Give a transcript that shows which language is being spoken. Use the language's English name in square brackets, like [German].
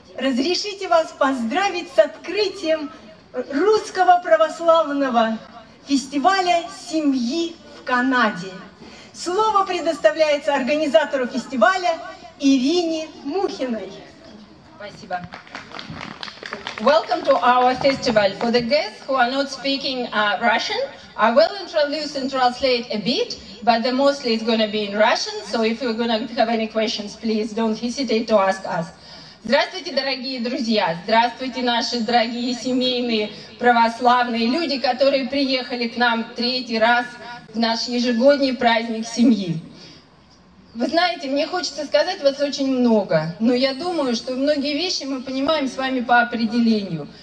[Russian] Разрешите вас поздравить с открытием русского православного фестиваля семьи в Канаде. Слово предоставляется организатору фестиваля Ирине Мухиной. Спасибо. [English] Welcome to our festival. For the guests who are not speaking Russian, I will introduce and translate a bit, but the mostly it's going to be in Russian, so if you're going to have any questions, please don't hesitate to ask us. [Russian] Здравствуйте, дорогие друзья! Здравствуйте, наши дорогие семейные православные люди, которые приехали к нам третий раз в наш ежегодний праздник семьи. Вы знаете, мне хочется сказать вас очень много, но я думаю, что многие вещи мы понимаем с вами по определению.